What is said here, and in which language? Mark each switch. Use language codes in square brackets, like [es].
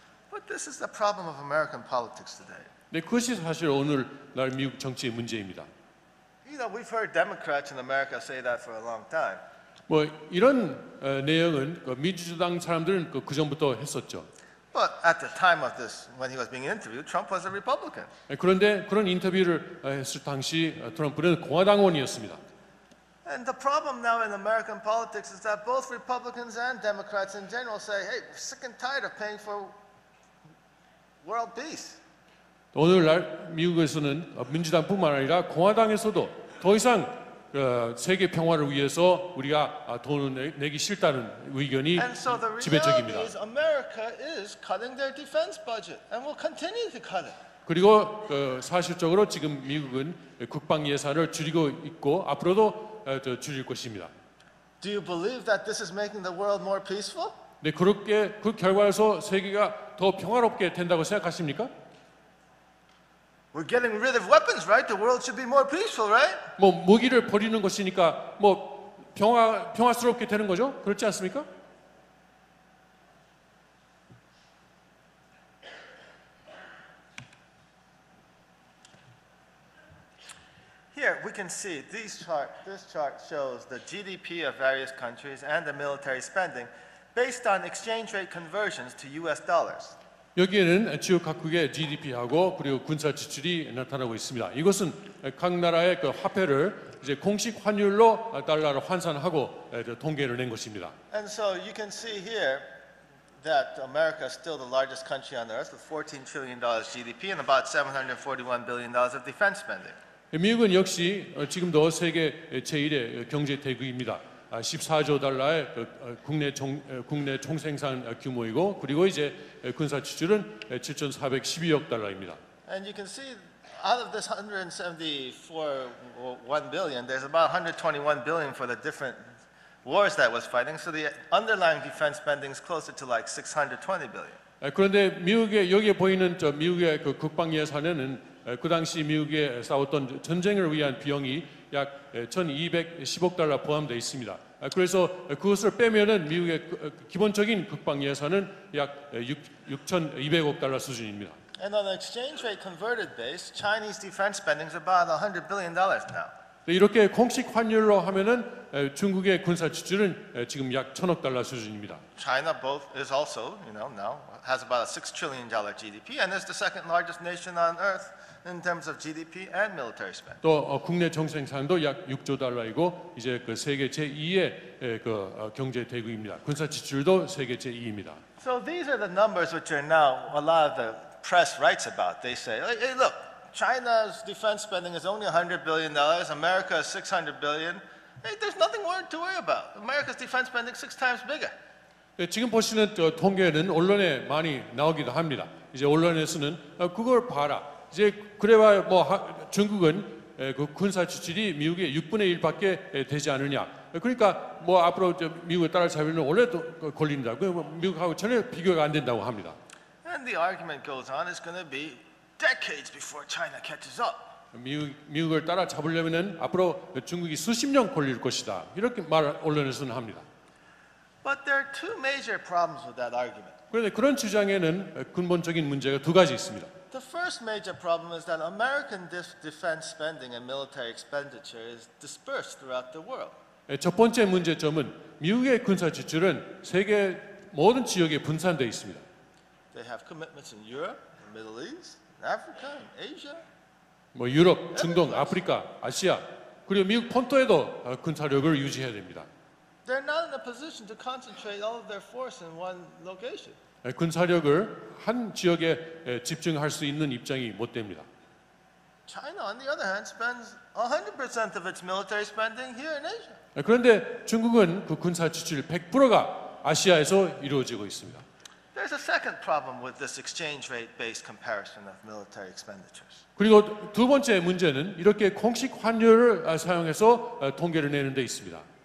[en] But this is the problem of American politics today. [ko] 네, 그것이 사실 오늘날 미국 정치의 문제입니다. [en] You know, we've heard Democrats in America say that for a long time. [ko] 뭐 이런 내용은 그 민주당 사람들은 그 전부터 했었죠. [en] But at the time of this, when he was being interviewed, Trump was a Republican. [ko] 그런데 그런 인터뷰를 했을 당시 트럼프는 공화당원이었습니다. [en] And the problem now in American politics is that both Republicans and Democrats in general say, "Hey, we're sick and tired of paying for world peace." [ko] 오늘날 미국에서는 민주당뿐만 아니라 공화당에서도 더 이상 세계 평화를 위해서 우리가 돈을 내기 싫다는 의견이 지배적입니다. [en] And so the reality is America is cutting their defense budget and will continue to cut it. [ko] 그리고 사실적으로 지금 미국은 국방 예산을 줄이고 있고 앞으로도 줄일 것입니다. [en] Do you believe that this is making the world more peaceful? [ko] 네, 그렇게 그 결과에서 세계가 더 평화롭게 된다고 생각하십니까? [en] We're getting rid of weapons, right? The world should be more peaceful, right? [ko] 뭐 무기를 버리는 것이니까 뭐 평화스럽게 되는 거죠? 그렇지 않습니까? [en] Here we can see this chart shows the GDP of various countries and the military spending based on exchange rate conversions to US dollars. [ko] 여기에는 주요 각국의 GDP하고 그리고 군사 지출이 나타나고 있습니다. 이것은 각 나라의 그 화폐를 이제 공식 환율로 달러로 환산하고 통계를 낸 것입니다. [en] And so you can see here that America is still the largest country on earth with $14 trillion GDP and about $741 billion of defense spending. [ko] 미국은 역시 지금도 세계 제1의 경제 대국입니다. 14조 달러의 국내 총생산 규모이고 그리고 이제 군사 지출은 7,412억 달러입니다. [en] And you can see out of this 174.1 billion there's about 121 billion for the different wars that was fighting. So the underlying defense spending is closer to like 620 billion. [ko] 그런데 미국의 여기에 보이는 저 미국의 그 국방 예산에는 그 당시 미국에 싸웠던 전쟁을 위한 비용이 약 1,210억 달러 포함돼 있습니다. 그래서 그것을 빼면은 미국의 기본적인 국방 예산은 약 6,200억 달러 수준입니다. [en] And on an exchange rate converted base, Chinese defense spending is about $100 billion now. [ko] 이렇게 공식 환율로 하면은 중국의 군사 지출은 지금 약 1,000억 달러 수준입니다. [en] China both is also, you know, now has about a $6 trillion GDP and is the second largest nation on earth. In terms of GDP and military spend. [ko] 또 국내 총생산도 약 6조 달러이고 이제 그 세계 제2의 그 경제 대국입니다. 군사 지출도 세계 제2입니다. [en] So these are the numbers which are now a lot of the press writes about. They say, hey, look, China's defense spending is only $100 billion. America is $600 billion. Hey, there's nothing to worry about. America's defense spending is six times bigger. [ko] 네, 지금 보시는 통계는 언론에 많이 나오기도 합니다. 이제 언론에서는 그걸 봐라. 이제 그래봐 뭐 중국은 그 군사 지출이 미국의 6분의 1밖에 되지 않느냐. 그러니까 뭐 앞으로 미국에 따라잡으면 원래도 걸린다고 미국하고 전혀 비교가 안 된다고 합니다. [en] And the argument goes on. It's going to be decades before China catches up. [ko] 미국을 따라잡으려면은 앞으로 중국이 수십 년 걸릴 것이다. 이렇게 말 언론에서는 합니다. [en] But there are two major problems with that argument. [ko] 그런데 그런 주장에는 근본적인 문제가 두 가지 있습니다. [en] The first major problem is that American defense spending and military expenditure is dispersed throughout the world. [ko] 첫 번째 문제점은 미국의 군사 지출은 세계 모든 지역에 분산돼 있습니다. [en] They have commitments in Europe, the Middle East, Africa, and Asia. [ko] 뭐 유럽, 중동, 아프리카, 아시아 그리고 미국 본토에도 군사력을 유지해야 됩니다. [en] They're not in a position to concentrate all of their force in one location. [ko] 군사력을 한 지역에 집중할 수 있는 입장이 못 됩니다. [en] China, on the other hand, spends 100% of its military spending here in Asia. [ko] 그런데 중국은 그 군사 지출 100%가 아시아에서 이루어지고 있습니다. [en] There's a second problem with this exchange rate based comparison of military expenditures. [ko] 그리고 두 번째 문제는 이렇게 공식 환율을 사용해서 통계를 내는 데 있습니다.